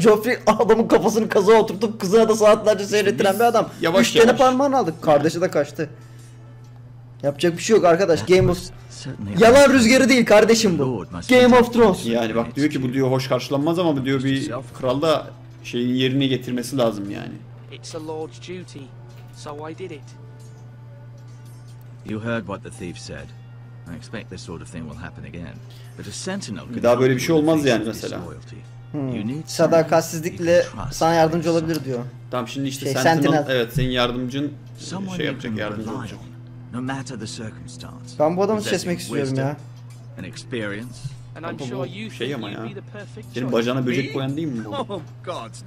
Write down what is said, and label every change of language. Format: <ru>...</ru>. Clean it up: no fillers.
<tr>Joffrey adamın kafasını kazığa oturtup kızına da saatlerce seyrettiren biz bir adam. Yavaş üç tane parmağını aldık. Kardeşi de kaçtı. Yapacak bir şey yok arkadaş. Game of... Yalan rüzgarı değil kardeşim bu. Game of Thrones. Yani bak, diyor ki bu diyor hoş karşılanmaz ama bu diyor bir kral da şeyin yerini getirmesi lazım yani.</tr> <en>It's a lord's duty, so I did it. You heard what the thief said. I expect this sort of thing will happen again. But a sentinel.</en> <tr>Bir daha böyle bir şey olmaz yani mesela. Sadakatsizlikle sana yardımcı olabilir diyor. Tamam şimdi işte şey, sentinel. Evet, senin yardımcın şey yapacak, yardımcı olacak. No matter the circumstance. Ben bu adamı kesmek istiyorum ya. An experience. And I'm sure you şey ama ya. Senin bacağına böcek koyan değil mi bu? Oh God no.</tr>